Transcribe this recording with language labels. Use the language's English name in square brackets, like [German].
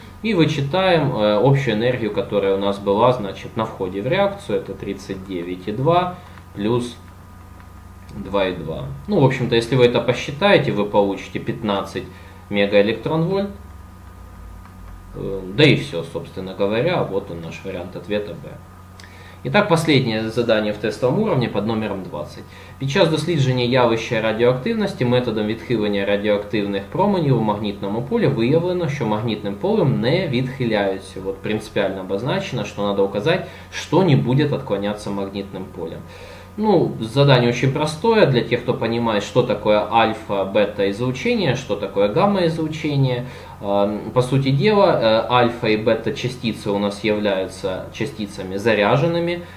[Russian] И вычитаем общую энергию, которая у нас была, значит, на входе в реакцию, это 39,2 плюс 2,2. Ну, в общем-то, если вы это посчитаете, вы получите 15 мегаэлектронвольт. Да и все, собственно говоря, вот он наш вариант ответа Б. Итак, последнее задание в тестовом уровне под номером 20. [Ukrainian] Під час дослідження явища радіоактивності методом відхилення радіоактивних променів у магнітному полі виявлено, що магнітним полем не відхиляються. [Russian] Вот принципиально обозначено, что надо указать, что не будет отклоняться магнитным полем. Ну, задание очень простое для тех, кто понимает, что такое альфа-бета-излучение, что такое гамма-излучение. По сути дела, альфа и бета-частицы у нас являются частицами заряженными.